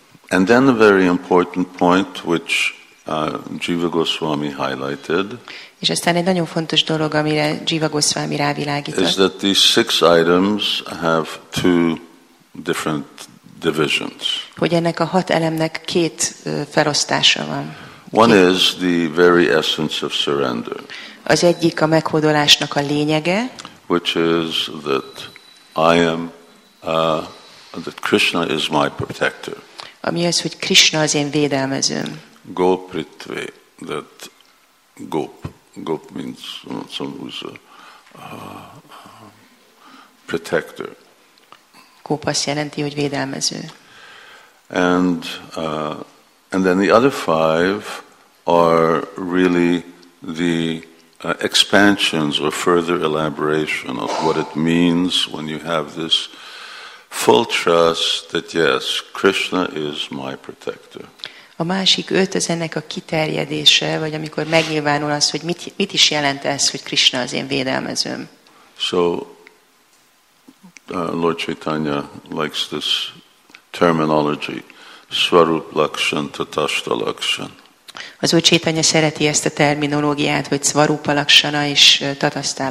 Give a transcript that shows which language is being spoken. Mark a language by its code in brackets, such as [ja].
[en] And then a very important point which Jiva Goswami highlighted. [hu] És aztán egy nagyon fontos dolog, amire Jiva Goswami rávilágított. [en] Is that these six items have two different divisions. [hu] Hogy ennek a hat elemnek két felosztása van. [en] One is the very essence of surrender. [hu] Az egyik a meghódolásnak a lényege. [en] Which is that I am that Krishna is my protector. [hu] Ami az, hogy Krishna az én védelmezőm. [en] Gopritve, that gop means someone who's a protector. [hu] Gop azt jelenti, hogy védelmező. [en] And then the other five are really the expansions or further elaboration of what it means when you have this full trust that yes, Krishna is my protector. [hu] A másik öt az ennek a kiterjedése, vagy amikor megnyilvánul az, hogy mit is jelent ez, hogy Krishna az én védelmezőm. [en] So, Lord Chaitanya likes this terminology, Swarup Lakshan, Tatashta Lakshan. [hu] Az Úr Csétanya szereti ezt a terminológiát, hogy Svarupa Lakshana és Tathasta